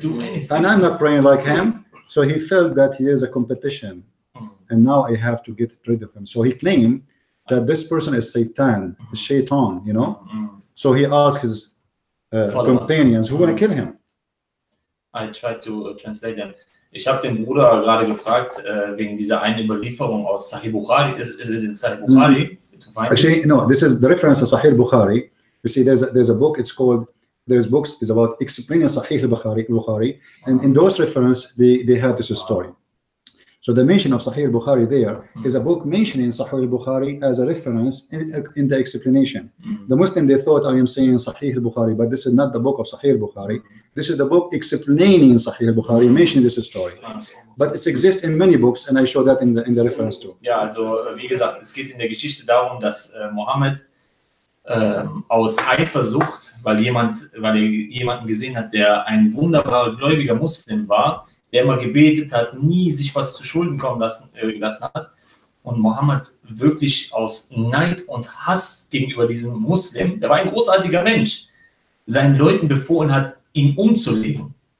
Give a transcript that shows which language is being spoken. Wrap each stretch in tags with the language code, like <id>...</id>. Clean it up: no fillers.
<en>Didn't do anything. And I'm not praying like him. So he felt that he is a competition. And now I have to get rid of him. So he claimed that this person is Satan, Shaitan, you know. So he asked his companions, who gonna kill him? I tried to translate them.</en> <de>Ich habe den Bruder gerade gefragt, wegen dieser einen Überlieferung aus Sahih Bukhari.</de> <en>Is it in Sahih Bukhari? Actually, no, this is the reference to Sahih Bukhari. You see, there's a book, it's called, there's books, it's about explaining Sahih Bukhari. And in those references, they have this story. So the mention of Sahih Bukhari there is a book mentioning Sahih Bukhari as a reference in the explanation. The Muslim, they thought I am saying Sahih Bukhari, but this is not the book of Sahih Bukhari. This is the book explaining Sahih Bukhari, mentioning this story. But it exists in many books, and I show that in the reference too.</en> <de>Yeah, also wie gesagt, es geht in der Geschichte darum, dass Mohammed aus Eifersucht, weil jemanden gesehen hat, der ein wunderbarer gläubiger Muslim war, der immer gebetet hat, nie sich was zu Schulden kommen lassen hat. Und Mohammed wirklich aus Neid und Hass gegenüber diesem Muslim, der war ein großartiger Mensch, seinen Leuten befohlen hat, ihn umzulegen.</de>